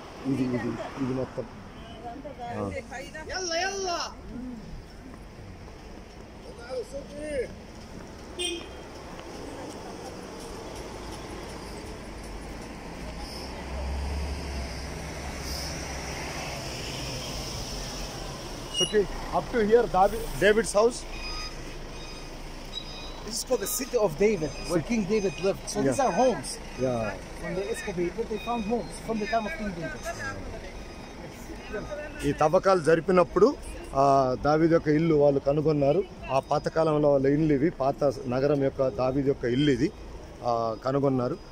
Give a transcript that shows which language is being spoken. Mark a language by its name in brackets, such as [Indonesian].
[Telugu] ఇది ఇది ఇది మొత్తం [English] okay up to here. David's house, this is called the city of David, where king David lived. So yeah, these are homes. Yeah, when they excavated they found homes from the time of King David. [Telugu] ఈ తవ్వకాలు జరిపినప్పుడు దావీదు యొక్క ఇల్లు వాళ్ళు కనుగొన్నారు. ఆ పాతకాలంలో వాళ్ళ ఇల్లు ఇవి, పాత నగరం యొక్క దావీదు యొక్క ఇల్లు ఇది కనుగొన్నారు.